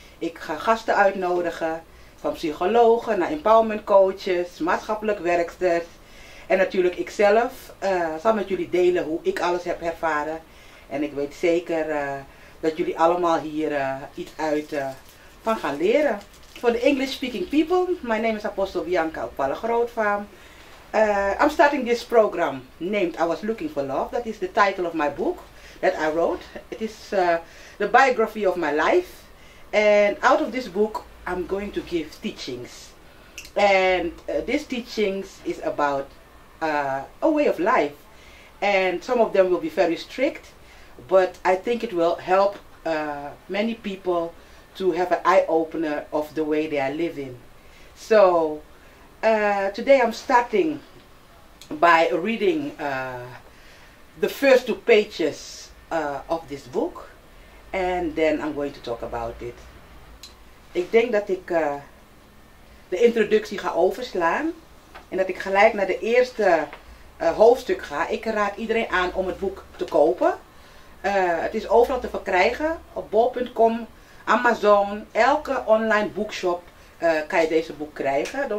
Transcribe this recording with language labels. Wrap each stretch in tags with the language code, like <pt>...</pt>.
<nl>Ik ga gasten uitnodigen, van psychologen naar empowerment coaches, maatschappelijk werksters. En natuurlijk ikzelf zal met jullie delen hoe ik alles heb ervaren. En ik weet zeker dat jullie allemaal hier iets uit van gaan leren.</nl> <en>For the English speaking people, my name is Apostel Bianca Opvallen Grootvaan. I'm starting this program named I Was Looking for Love. That is the title of my book that I wrote. It is the biography of my life. And out of this book, I'm going to give teachings. And these teachings is about a way of life. And some of them will be very strict, but I think it will help many people to have an eye-opener of the way they are living. So today I'm starting by reading the first two pages of this book, and then I'm going to talk about it.</en> <nl>Ik denk dat ik de introductie ga overslaan en dat ik gelijk naar de eerste hoofdstuk ga. Ik raad iedereen aan om het boek te kopen. Het is overal te verkrijgen op bol.com, Amazon, elke online bookshop kan je deze boek krijgen.</nl>